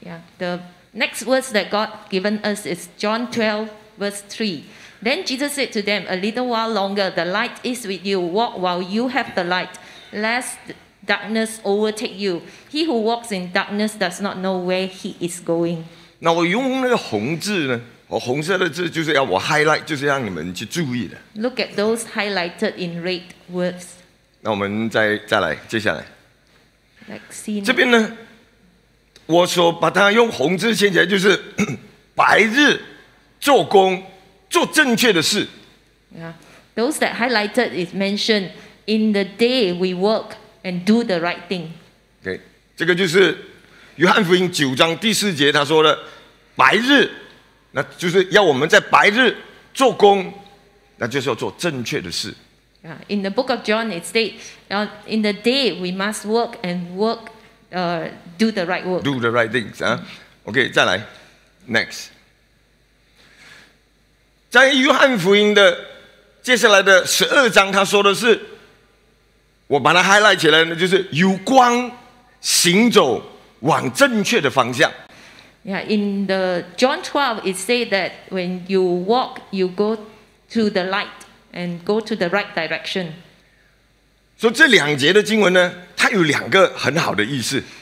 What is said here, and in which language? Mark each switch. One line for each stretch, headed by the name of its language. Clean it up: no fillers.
English: Yeah, the next verse that God given us is John 12 verse 3. Then Jesus said to them, "A little while longer, the light is with you. Walk while you have the light." lest darkness overtake you. He who walks in darkness does not know where he is going.
Chinese: 那我用那个红字呢？我红色的字就是要我 highlight， 就是让你们去注意的。
English: Look at those highlighted in red words.
Chinese: 那我们再来，接下来。
English: Like scene.
Chinese: 这边呢，我所把它用红字写起来，就是白日做工，做正确的事。
English: Yeah, those that highlighted is mentioned in the day we work and do the right thing.
Chinese: Okay, 这个就是约翰福音九章第四节他说的白日。那就是要我们在白日做工，那就是要做正确的事。
English: In the book of John, it states, in the day we must work and work, do the right work. Do the right things.
Chinese: Okay, 再来 ，next， 在约翰福音的接下来的十二章，他说的是，我把它 highlight 起来，就是有光行走往正确的方向。
English: Yeah, in the John 12, it says that when you walk, you go to the light and go to the right direction.
Chinese: So, 这两节的经文呢，它有两个很好的意思。